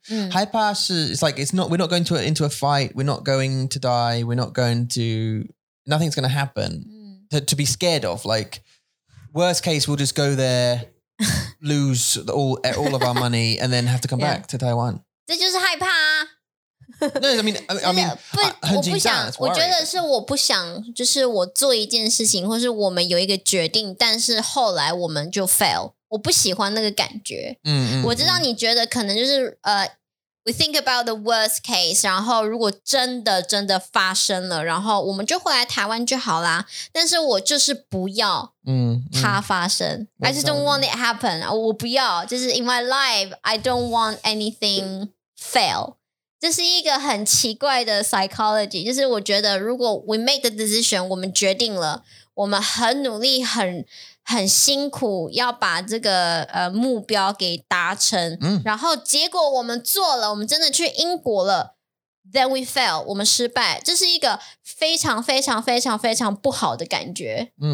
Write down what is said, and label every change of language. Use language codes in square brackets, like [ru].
[zh] 害怕是 [en] it's like, it's not, we're not going into a fight. We're not going to die. We're not going to, nothing's going to happen. To be scared of, like, worst case, we'll just go there, lose all of our money, and then have to come back to Taiwan. [zh] 这就是害怕啊。 [en] No, I mean, [zh] 不，我不想，我觉得是我不想，就是我做一件事情，或是我们有一个决定，但是后来我们就 fail. 我不喜欢那个感觉。我知道你觉得可能就是 [en] we think about the worst case, [zh] 然后如果真的真的发生了，然后我们就回来台湾就好啦。但是我就是不要它发生。 [en] I just don't want it happen. [zh] 我不要，就是 [en] in my life, I don't want anything fail. [zh] 这是一个很奇怪的 psychology, 就是我觉得如果 [en] we make the decision, [zh] 我们决定了，我们很努力很辛苦要把这个目标给达成然后结果我们做了我们真的去英国了 [en] then we fail [zh] 我们失败这是一个非常非常非常非常不好的感觉